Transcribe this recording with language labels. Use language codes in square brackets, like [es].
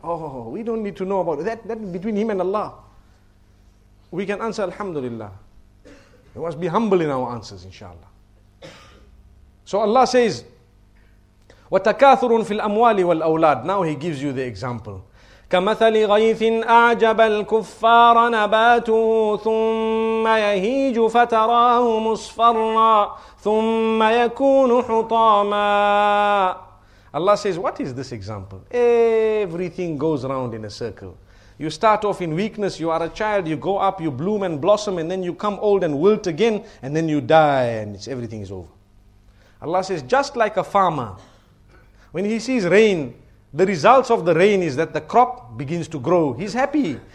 [en] Oh, we don't need to know about it. That between him and Allah. We can answer alhamdulillah. We must be humble in our answers, inshallah. So Allah says, [ar] وَتَكَاثُرٌ فِي الْأَمْوَالِ وَالْأَوْلَادِ [en] Now He gives you the example. [ar] كَمَثَلِ غَيْثٍ أَعْجَبَ الْكُفَّارَ نَبَاتُهُ ثُمَّ يَهِيجُ فَتَرَاهُ مُصْفَرًّا ثُمَّ يَكُونُ حُطَامًا [en] Allah says, what is this example? Everything goes round in a circle. You start off in weakness, you are a child, you go up, you bloom and blossom, and then you come old and wilt again, and then you die, and everything is over. Allah says, just like a farmer, when he sees rain, the results of the rain is that the crop begins to grow. He's happy.